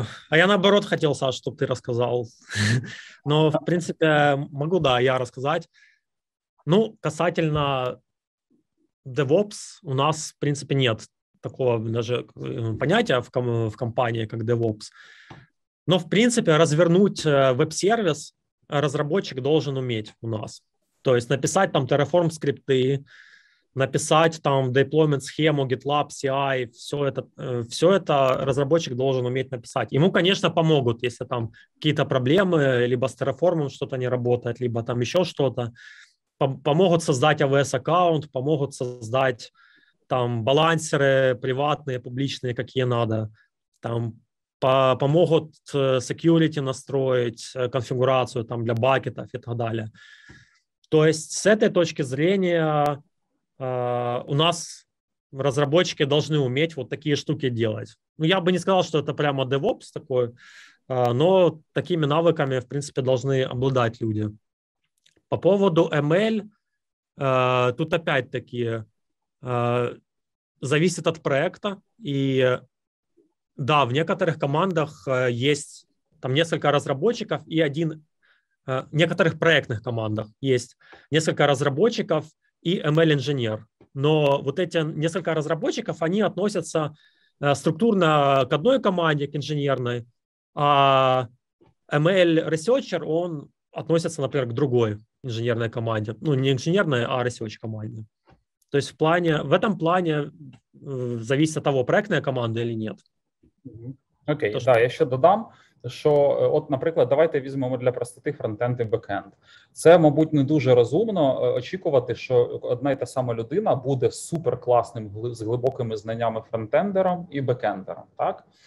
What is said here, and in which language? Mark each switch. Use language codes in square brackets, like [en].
[uk] А я наоборот хотів, Саш, щоб ти розказав. Ну, в принципі, можу, да, я розказати. [ru] Ну, касательно DevOps, у нас, в принципе, нет такого даже понятия в компании, как DevOps. Но, в принципе, развернуть веб-сервис разработчик должен уметь у нас. То есть написать там Terraform скрипты, написать там deployment схему, GitLab, CI, все это разработчик должен уметь написать. Ему, конечно, помогут, если там какие-то проблемы, либо с Terraform что-то не работает, либо там еще что-то. Помогут создать AWS-аккаунт, помогут создать там балансеры приватные, публичные, какие надо. Там помогут security настроить, конфигурацию там для бакетов и так далее. То есть с этой точки зрения у нас разработчики должны уметь вот такие штуки делать. Ну, я бы не сказал, что это прямо DevOps такой, но такими навыками, в принципе, должны обладать люди. По поводу ML, тут опять-таки зависит от проекта. И да, в некоторых командах есть там несколько разработчиков и один... В некоторых проектных командах есть несколько разработчиков и ML-инженер. Но вот эти несколько разработчиков, они относятся структурно к одной команде, к инженерной, а ML-ресерчер, он относится, например, к другой инженерной команде. Ну, не инженерной, а RSEOC-команде. То есть в этом плане зависит от того, проектная команда или нет. [uk] Окей, okay, да, я ще додам, що, от, наприклад, давайте візьмемо для простоти фронтенд і бекенд. Це, мабуть, не дуже розумно очікувати, що одна і та сама людина буде суперкласним з глибокими знаннями фронтендером і бекендером, так?